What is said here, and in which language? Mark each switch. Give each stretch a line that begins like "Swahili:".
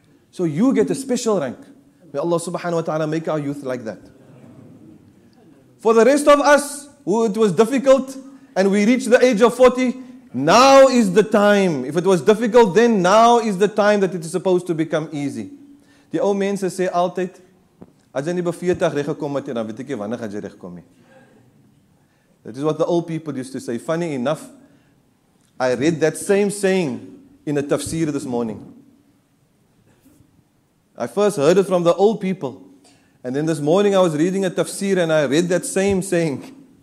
English: So you get a special rank. May Allah subhanahu wa ta'ala make our youth like that. For the rest of us, who it was difficult and we reached the age of 40, now is the time. If it was difficult then, now is the time that it is supposed to become easy.
Afrikaans: Die ou mense sê altyd, as jy nie by 40 reggekom het, dan weet ek jy wanneer gaan jy regkom nie.
English: That is what the old people used to say. Funny enough, I read that same saying in a tafsir this morning. I first heard it from the old people. And then this morning I was reading a tafsir and I read that same saying.